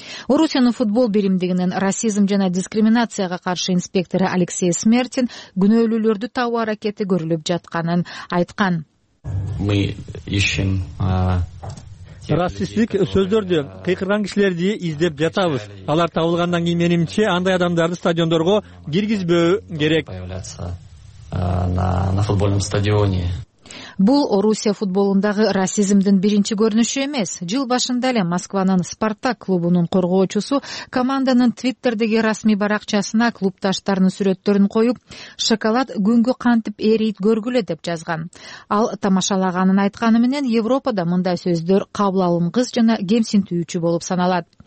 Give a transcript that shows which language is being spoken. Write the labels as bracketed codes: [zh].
[ky] Орусиянын футбол биримдигинин расизм жана дискриминацияга каршы инспектору Алексей Смертин күнөөлүүлөрдү табуу аракети көрүлүп жатканын айткан. [ru] Мы ищем [ky] расисттик сөздөрдү кыйкырган кишилерди издеп жатабыз. Алар табылгандан кийин менимче андай адамдарды стадиондорго киргизбөө керек. [ru] На футбольном стадионе. [ky] Бул Орусия футболундагы расизмдин биринчи көрүнүшү эмес. Жыл башында эле Москванын Спартак клубунун коргоочусу команданын Twitterдеги расмий баракчасына клубташтарынын сүрөттөрүн коюп, шоколад күнгө кантип эрийт көргүлө деп жазган. Ал тамашалаганын айтканы менен Европада мындай сөздөр кабыл алынгыс жана кемсинтүүчү болуп саналат.